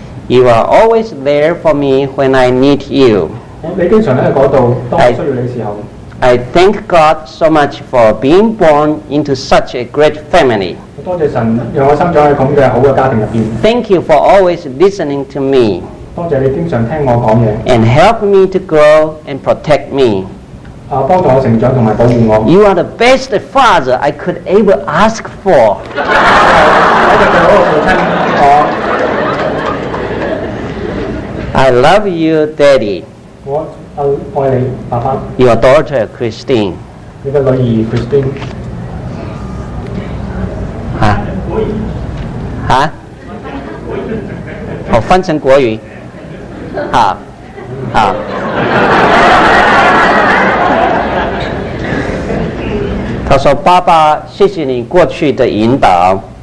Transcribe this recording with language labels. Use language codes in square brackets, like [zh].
[en] You are always there for me when I need you. [zh] 你经常在那里，当我需要你的时候。 [en] I thank God so much for being born into such a great family. [zh] 多谢神让我生长在这样的好的家庭里面。 [en] Thank you for always listening to me. [zh] 多谢你经常听我讲的。 [en] And help me to grow and protect me. [zh] 帮助我成长和保护我。 [en] You are the best father I could ever ask for. [zh] 你是最好的父亲。 [en] I love you, Daddy. [zh] 我爱你，爸爸。 [en] Your daughter, Christine. [zh] 你的女儿 Christine。啊？国语。啊？国语。我翻成国语。好。好。他说：“爸爸，谢谢你过去的引导。”